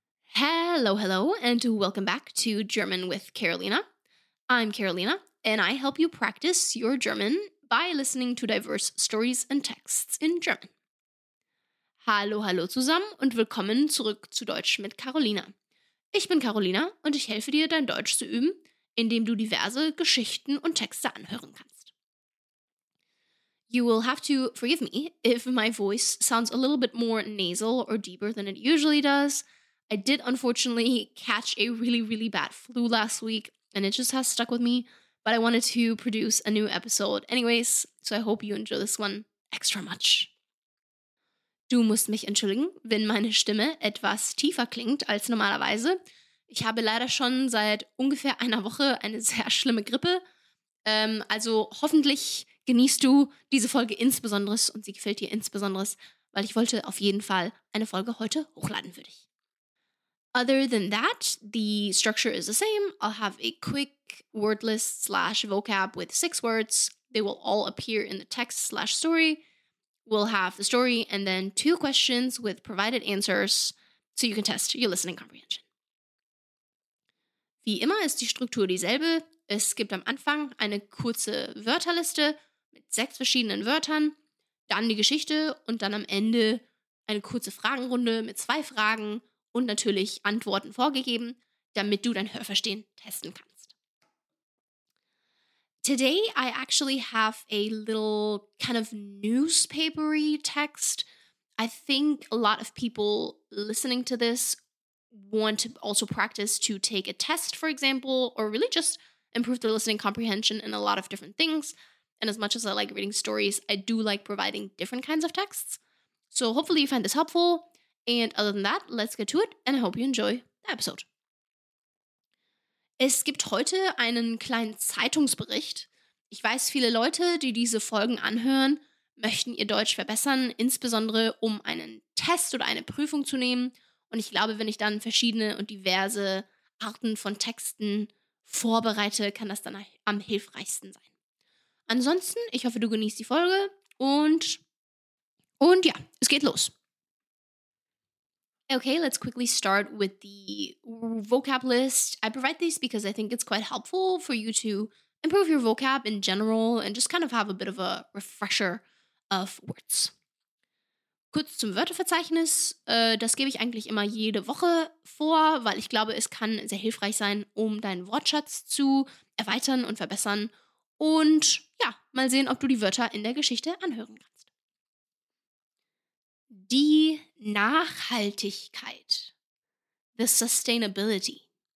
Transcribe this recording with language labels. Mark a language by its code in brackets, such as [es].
[en] Hello, hello, and welcome back to German with Carolina. I'm Carolina, and I help you practice your German by listening to diverse stories and texts in German. [de] Hallo, hallo zusammen und willkommen zurück zu Deutsch mit Carolina. Ich bin Carolina und ich helfe dir, dein Deutsch zu üben, indem du diverse Geschichten und Texte anhören kannst. [en] You will have to forgive me if my voice sounds a little bit more nasal or deeper than it usually does. I did unfortunately catch a really, really bad flu last week, and it just has stuck with me, but I wanted to produce a new episode anyways, so I hope you enjoy this one extra much. [de] Du musst mich entschuldigen, wenn meine Stimme etwas tiefer klingt als normalerweise. Ich habe leider schon seit ungefähr einer Woche eine sehr schlimme Grippe. Also hoffentlich genießt du diese Folge insbesondere und sie gefällt dir insbesondere, weil ich wollte auf jeden Fall eine Folge heute hochladen für dich. [en] Other than that, the structure is the same. I'll have a quick word list slash vocab with 6 words. They will all appear in the text slash story. We'll have the story and then 2 questions with provided answers so you can test your listening comprehension. [de] Wie immer ist die Struktur dieselbe. Es gibt am Anfang eine kurze Wörterliste mit 6 verschiedenen Wörtern, dann die Geschichte und dann am Ende eine kurze Fragenrunde mit 2 Fragen und natürlich Antworten vorgegeben, damit du dein Hörverstehen testen kannst. [en] Today I actually have a little kind of newspapery text. I think a lot of people listening to this want to also practice to take a test, for example, or really just improve their listening comprehension in a lot of different things. And as much as I like reading stories, I do like providing different kinds of texts. So hopefully you find this helpful. And other than that, let's get to it, and I hope you enjoy the episode. [de] Es gibt heute einen kleinen Zeitungsbericht. Ich weiß, viele Leute, die diese Folgen anhören, möchten ihr Deutsch verbessern, insbesondere um einen Test oder eine Prüfung zu nehmen. Und ich glaube, wenn ich dann verschiedene und diverse Arten von Texten vorbereite, kann das dann am hilfreichsten sein. Ansonsten, ich hoffe, du genießt die Folge und ja, es geht los. [en] Okay, let's quickly start with the vocab list. I provide these because I think it's quite helpful for you to improve your vocab in general and just kind of have a bit of a refresher of words. [de] Kurz zum Wörterverzeichnis. Das gebe ich eigentlich immer jede Woche vor, weil ich glaube, es kann sehr hilfreich sein, um deinen Wortschatz zu erweitern und verbessern. Und ja, mal sehen, ob du die Wörter in der Geschichte anhören kannst. Die Nachhaltigkeit. [en] The sustainability.